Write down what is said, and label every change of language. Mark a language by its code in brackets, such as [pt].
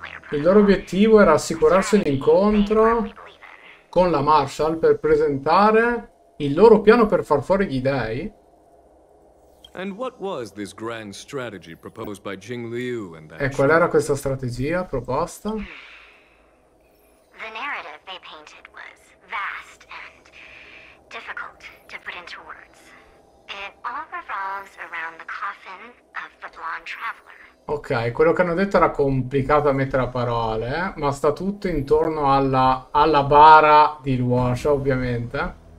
[it] Il loro obiettivo era assicurarsi un incontro con la Marshall per presentare il loro piano per far fuori gli dèi. [en] And what was this grand strategy proposed by Jing Liu and that? [it] E qual era questa strategia proposta? [en] The narrative they painted was vast and difficult to put into words. It all revolves around the coffin of the blonde traveler. [it] Ok, quello che hanno detto era complicato a mettere a parole, ma sta tutto intorno alla bara di Luosha, ovviamente.